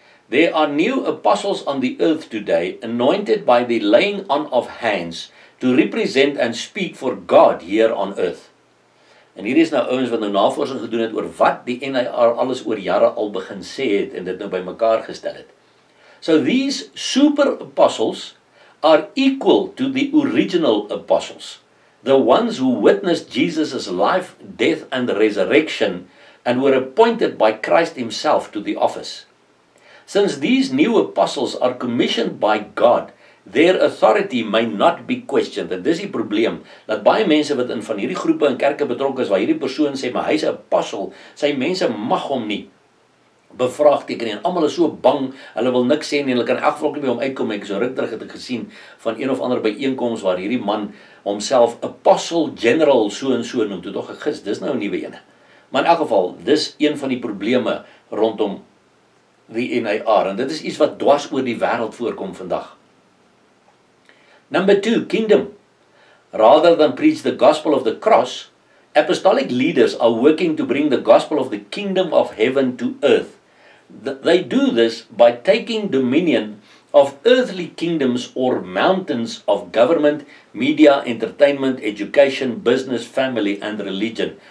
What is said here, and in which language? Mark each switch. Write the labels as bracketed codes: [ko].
[en] There are new apostles on the earth today, anointed by the laying on of hands, to represent and speak for God here on earth. [af] En hier is nou ouens wat nou navorsing gedoen het oor wat die N.A.R. alles oor jare al begin sê het en dit nou by mekaar gestel het. [en] So these super apostles are equal to the original apostles, the ones who witnessed Jesus' life, death and resurrection and were appointed by Christ himself to the office. Since these new apostles are commissioned by God, their authority may not be questioned. [af] En dis die probleem, dat baie mense wat in van hierdie groepe en kerke betrokke is, waar hierdie persoon sê, maar hy's 'n apostel, sy mense mag hom nie bevraagteken nie, en almal is so bang, hulle wil niks sê nie, hulle kan in elk geval nie by hom uitkom. Ek so ruk terug het ek gesien van een of ander byeenkoms waar hierdie man homself apostel general so en so noem, toe tog gegis, dis nou 'n nuwe ene. Maar in elk geval, dis een van die probleme rondom die N.A.R. en dit is iets wat dwars oor die wêreld voorkom vandag. [en] Number 2, kingdom. Rather than preach the gospel of the cross, apostolic leaders are working to bring the gospel of the kingdom of heaven to earth. They do this by taking dominion of earthly kingdoms or mountains of government, media, entertainment, education, business, family and religion.